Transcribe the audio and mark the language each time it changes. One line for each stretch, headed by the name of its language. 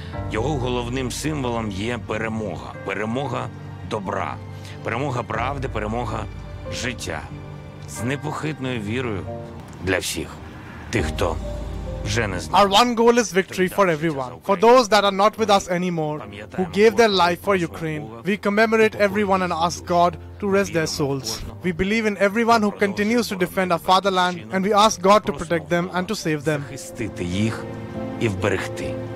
Ukrainian: Його головним символом є перемога. Перемога добра. Перемога правди, перемога життя. З непохитною вірою для всіх тих, хто вже не знає.
English: Our one goal is victory for everyone. For those that are not with us anymore, who gave their life for Ukraine, we commemorate everyone and ask God to rest their souls. We believe in everyone who continues to defend our fatherland, and we ask God to protect them and to save them.
Ukrainian: Захистити їх і вберегти.